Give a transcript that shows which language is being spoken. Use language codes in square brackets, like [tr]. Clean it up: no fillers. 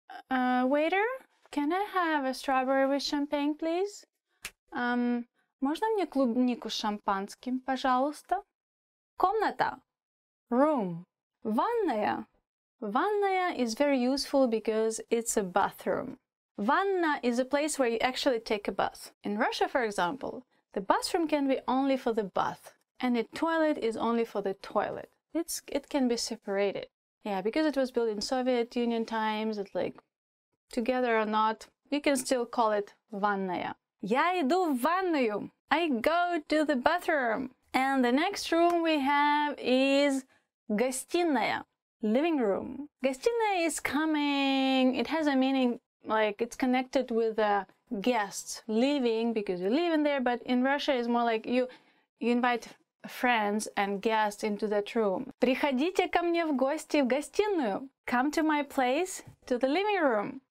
[en] Waiter, can I have a strawberry with champagne, please? [ru] Можно мне клубнику с шампанским, пожалуйста? Комната. [en] Room. [ru] Ванная. [en] Ванная is very useful because it's a bathroom. Ванна is a place where you actually take a bath. In Russia, for example, the bathroom can be only for the bath, and the toilet is only for the toilet. It can be separated. Yeah, because it was built in Soviet Union times, it's like, together or not, you can still call it ванная. [ru] Я иду в ванную. [en] I go to the bathroom. And the next room we have is гостиная, living room. Гостиная is coming, it has a meaning, like it's connected with the guests leaving because you live in there, but in Russia it's more like you invite friends and guests into that room. [ru] Приходите ко мне в гости в гостиную. [en] Come to my place, to the living room.